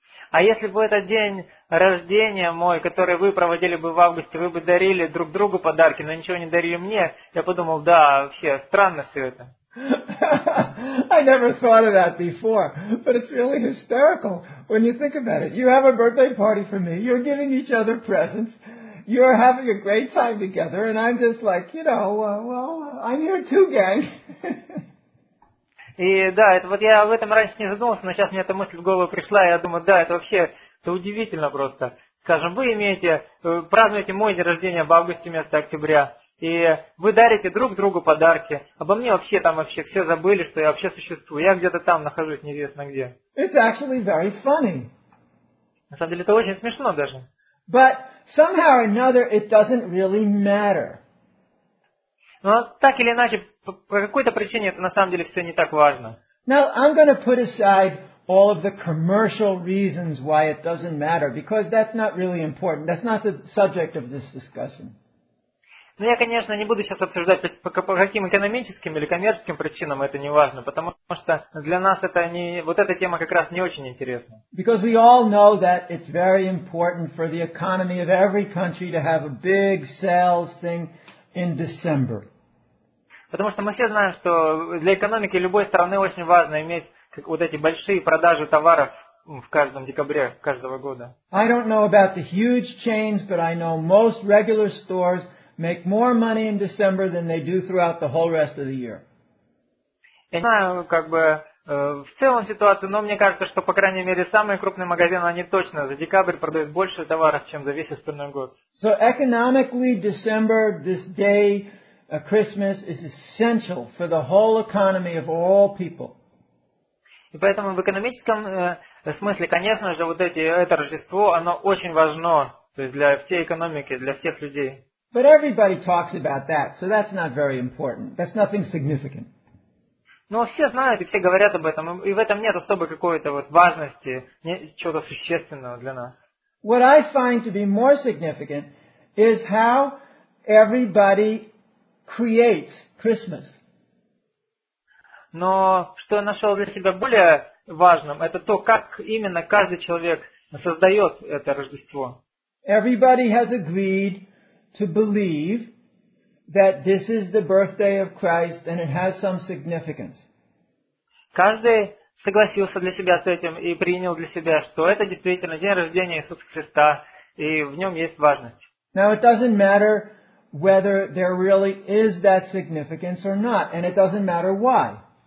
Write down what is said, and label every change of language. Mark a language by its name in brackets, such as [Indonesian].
[Russian] А если бы этот день рождения мой, который вы проводили бы в августе, вы бы дарили друг другу подарки, но ничего не дарили мне, я подумал, да, вообще странно все это. [English] I never thought of that before, but it's really hysterical when you think about it. You have a birthday party for me, you're giving each other presents, you're having a great time together, and I'm just like, you know, well, I'm here too, gang. [Russian] И да, это вот я об этом раньше не задумывался, но сейчас мне эта мысль в голову пришла, и я думаю, да, это вообще это удивительно просто. Скажем, вы имеете, празднуете мой день рождения в августе вместо октября, и вы дарите друг другу подарки. Обо мне вообще там вообще все забыли, что я вообще существую. Я где-то там нахожусь, неизвестно где. [English] It's actually very funny. [Russian] На самом деле это очень смешно даже. [English] But somehow or another it doesn't really matter. [Russian] Но так или иначе, по какой-то причине это на самом деле все не так важно. [English] Now, I'm going to put aside all of the commercial reasons why it doesn't matter, because that's not really important. That's not the subject of this discussion. [Russian] Но я, конечно, не буду сейчас обсуждать, по каким экономическим или коммерческим причинам это не важно, потому что для нас это не, вот эта тема как раз не очень интересна. [English] Because we all know that it's very important for the economy of every country to have a big sales thing in December. [Russian] Потому что мы все знаем, что для экономики любой страны очень важно иметь вот эти большие продажи товаров в каждом декабре каждого года. [English] I don't know about the huge chains, but I know most regular stores make more money in December than they do throughout the whole rest of the year. [Russian] Я не знаю, как бы в целом ситуацию, но мне кажется, что по крайней мере самые крупные магазины, они точно за декабрь продают больше товаров, чем за весь остальной год. [English] So economically, December, this day, Christmas is essential for the whole economy of all people. [Russian] И поэтому в экономическом смысле, конечно же, вот эти это Рождество, оно очень важно, то есть для всей экономики, для всех людей. [English] But everybody talks about that, so that's not very important. That's nothing significant. [Russian] Но все знают и все говорят об этом, и в этом нет особой какой-то вот важности, чего-то существенного для нас. [English] What I find to be more significant is how everybody creates Christmas. [Russian] Но что я нашел для себя более важным, это то, как именно каждый человек создает это Рождество. [English] Everybody has agreed to believe that this is the birthday of Christ and it has some significance. [Russian] Каждый согласился для себя с этим и принял для себя, что это действительно день рождения Иисуса Христа, и в нем есть важность. [English] Now it doesn't matter whether there really is that significance or not, and it doesn't matter why.